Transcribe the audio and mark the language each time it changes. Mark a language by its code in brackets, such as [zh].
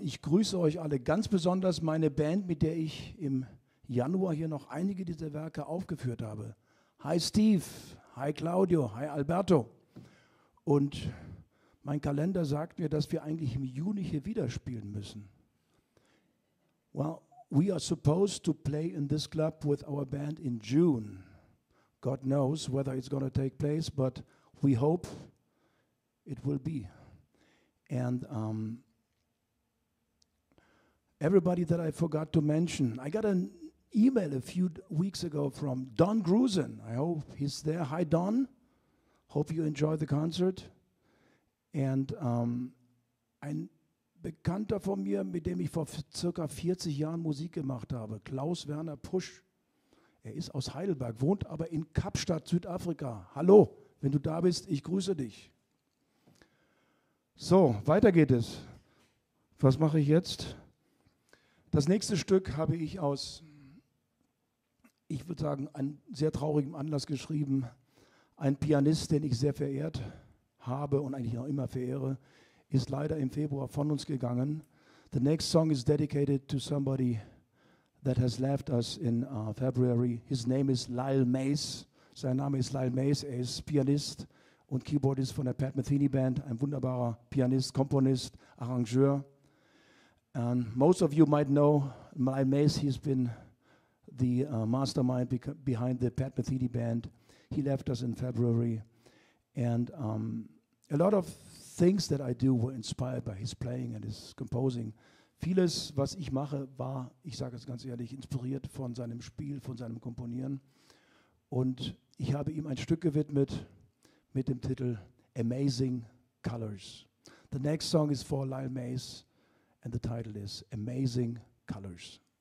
[de] Ich grüße euch alle, ganz besonders meine Band, mit der ich im Januar hier noch einige dieser Werke aufgeführt habe. [en] Hi Steve, hi Claudio, hi Alberto. [de] Und mein Kalender sagt mir, dass wir eigentlich im Juni hier wieder spielen müssen. [en] Well, we are supposed to play in this club with our band in June. God knows whether it's going to take place, but we hope it will be. And everybody that I forgot to mention, I got an email a few weeks ago from Don Grusin. I hope he's there. Hi, Don. Hope you enjoy the concert. And [de] ein Bekannter von mir, mit dem ich vor circa 40 Jahren Musik gemacht habe, Klaus Werner Pusch. Er ist aus Heidelberg, wohnt aber in Kapstadt, Südafrika. Hallo, wenn du da bist, ich grüße dich. So, weiter geht es. Was mache ich jetzt? Das nächste Stück habe ich aus, ich würde sagen, einem sehr traurigen Anlass geschrieben. Ein Pianist, den ich sehr verehrt habe und eigentlich auch immer verehre, ist leider im Februar von uns gegangen. [en] The next song is dedicated to somebody that has left us in February. His name is Lyle Mace. [de] Sein Name ist Lyle Mace. Er ist Pianist und Keyboardist von der Pat Metheny Band, ein wunderbarer Pianist, Komponist, Arrangeur. [en] And most of you might know Lyle Mace. He's been the mastermind behind the Pat Metheny Band. He left us in February. And a lot of things that I do were inspired by his playing and his composing. [de] Vieles, was ich mache, war, ich sage es ganz ehrlich, inspiriert von seinem Spiel, von seinem Komponieren. Und ich habe ihm ein Stück gewidmet, mit dem Titel Amazing Colors. [en] The next song is for Lyle Mace and the title is Amazing Colors.